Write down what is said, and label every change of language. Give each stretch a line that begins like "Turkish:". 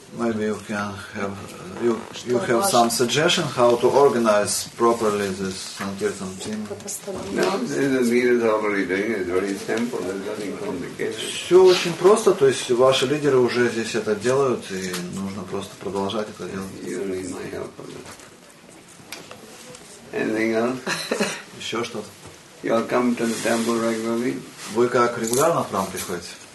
English: Maybe you can have you have
Russian: важно?
English: Some suggestion how to organize properly this Sankirtan team. No, the leaders are already doing it. It's very simple. There's nothing complicated.
Russian: Все очень просто. То есть ваши лидеры уже здесь это делают, и нужно просто продолжать это делать.
English: You need my help. Anything else?
Russian: Еще что-то?
English: You come to the temple regularly.
Russian: Вы как регулярно к нам приходите?